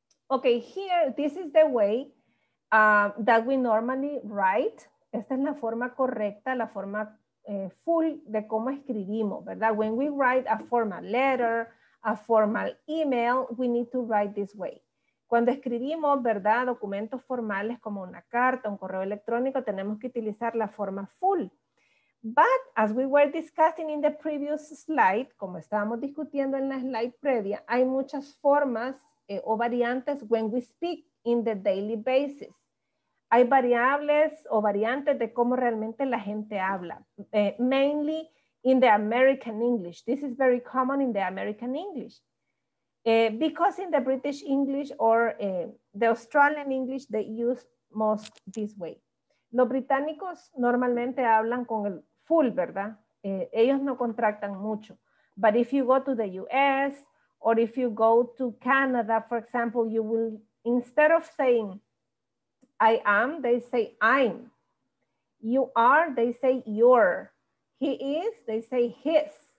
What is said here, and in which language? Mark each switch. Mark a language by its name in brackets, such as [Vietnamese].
[English] Okay, here, this is the way that we normally write. [Spanish] Esta es la forma correcta, la forma correcta. Full de cómo escribimos, ¿verdad? [English] When we write a formal letter, a formal email, we need to write this way. [Spanish] Cuando escribimos, ¿verdad? Documentos formales como una carta, un correo electrónico, tenemos que utilizar la forma full. [English] But as we were discussing in the previous slide, [Spanish] como estábamos discutiendo en la slide previa, hay muchas formas o variantes [English] when we speak in the daily basis. [Spanish] Hay variables o variantes de cómo realmente la gente habla, [English] mainly in the American English. This is very common in the American English. Because in the British English or the Australian English, they use most this way. [Spanish] Los británicos normalmente hablan con el full, ¿verdad? Ellos no contractan mucho. [English] But if you go to the US or if you go to Canada, for example, you will, instead of saying, I am, they say I'm. You are, they say you're. He is, they say his.